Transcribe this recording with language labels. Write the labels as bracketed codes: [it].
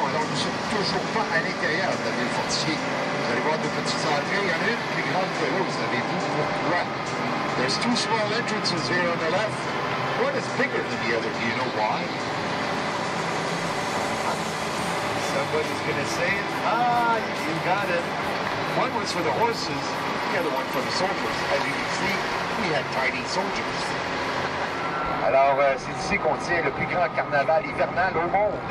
[fr] Alors nous ne sommes toujours pas à l'intérieur de la ville fortifiée. Vous allez voir deux petites entrées. Il y en a une plus grande que l'autre. Vous avez vu pourquoi. [en] There's two small entrances here on the left. One is bigger than the other. Do you know why? Somebody's going to say it. Ah, you got it. One was for the horses, the other one for the soldiers. As you can see, we had tiny soldiers. [fr] Alors, c'est ici qu'on tient le plus grand carnaval hivernal au monde.